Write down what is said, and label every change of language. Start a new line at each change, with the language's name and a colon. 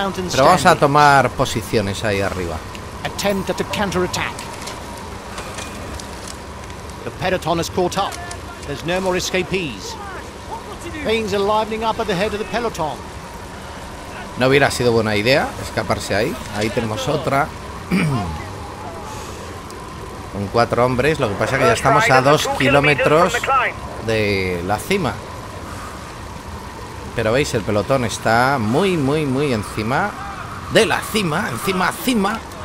Spanish: Pero vamos a tomar posiciones ahí arriba.
English: Attempt at a counter-attack. The peloton has caught up. There's no more escapees. Things are livening up at the head of the peloton.
Spanish: No hubiera sido buena idea escaparse ahí. Ahí tenemos otra. Con cuatro hombres, lo que pasa es que ya estamos a 2 kilómetros de la cima. Pero veis, el pelotón está muy, muy, muy encima de la cima, encima, cima.